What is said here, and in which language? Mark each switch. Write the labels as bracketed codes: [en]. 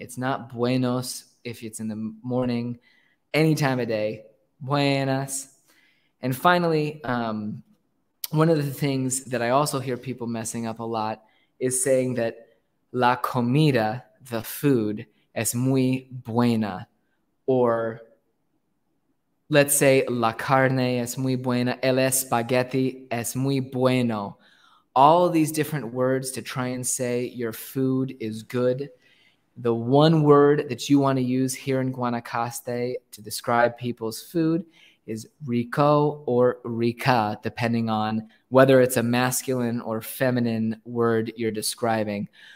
[en] It's not buenos if it's in the morning, any time of day, buenas. And finally, one of the things that I also hear people messing up a lot is saying that [es] la comida, [en] the food, [es] es muy buena. [en] Or let's say [es] la carne es muy buena, el espagueti es muy bueno. [en] All these different words to try and say your food is good. The one word that you want to use here in Guanacaste to describe people's food is rico or rica, depending on whether it's a masculine or feminine word you're describing.